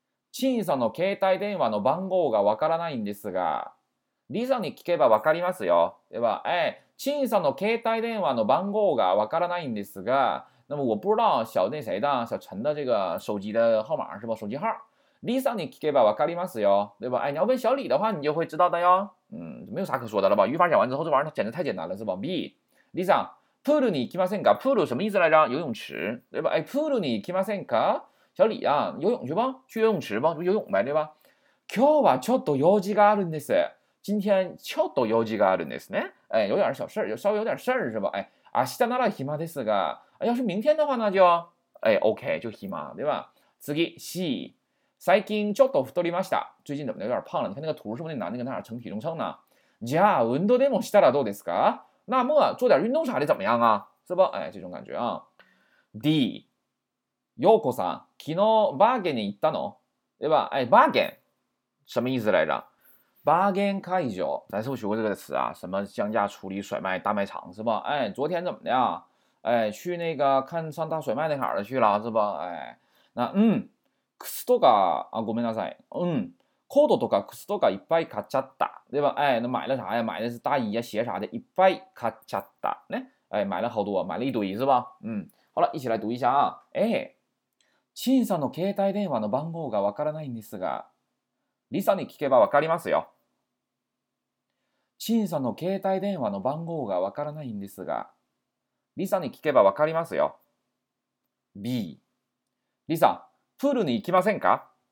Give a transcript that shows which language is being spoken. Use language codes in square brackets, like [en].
[ja] チンさんの携帯電話の番号がわからないんですが、リサに聞けばわかりますよ。では、チンさんの携帯電話の番号がわからないんですが， [zh] 那么我不知道小那谁的小陈的这个手机的号码是吧？手机号。 [ja] リサに聞けばわかりますよ。 [zh] 对吧？哎，你要问小李的话，你就会知道的哟。嗯，没有啥可说的了吧？语法讲完之后，这玩意儿它简直太简单了，是吧？B， 李桑， [ja] プールに行きませんか？ [zh] プール什么意思来着？游泳池，对吧？ [ja] 哎，プールに行きませんか？ [zh] 小李啊，游泳去吧，去游泳池吧，游泳呗，对吧？ [ja] 今日はちょっと用事があるんです。 [zh] 今天 [ja] ちょっと用事があるんですね。 [zh] 哎，有点小事儿，有稍微有点事儿是吧？哎， [ja] 明日なら暇ですが， [zh] 要是明天的话那就，哎，OK，就暇，对吧？次，C， [ja] 最近ちょっと太りました。 [zh] 最近怎么的有点胖了？你看那个图是不是那男的跟他俩称体重秤呢？ [ja] じゃあ運動でもしたらどうですか？ [zh] 那么啊，做点运动啥的怎么样啊？是不？哎，这种感觉啊。 [ja] D， 陽子さん、昨日バーゲンに行ったの？ [zh] 对吧？哎，バーゲン什么意思来着？バーゲン会場，咱是不是学过这个词啊？什么降价处理甩卖大卖场是吧？哎，昨天怎么的？哎，去那个看上大甩卖那哪儿去了是吧？ [ja] 哎，那嗯，靴とかあごめんなさい，嗯。コートとか靴とかいっぱい買っちゃった， [zh] 对吧？哎，那买了啥呀？买的是大衣呀、鞋啥的， [ja] いっぱい買っちゃった，ね？ [zh] 哎，买了好多，买了一堆，是吧？嗯，好了，一起来读一下啊。 [ja] 哎，陳さんの携帯電話の番号がわからないんですが、リサに聞けばわかりますよ。陳さんの携帯電話の番号がわからないんですが、リサに聞けばわかりますよ。 B、リサ、プールに行きませんか？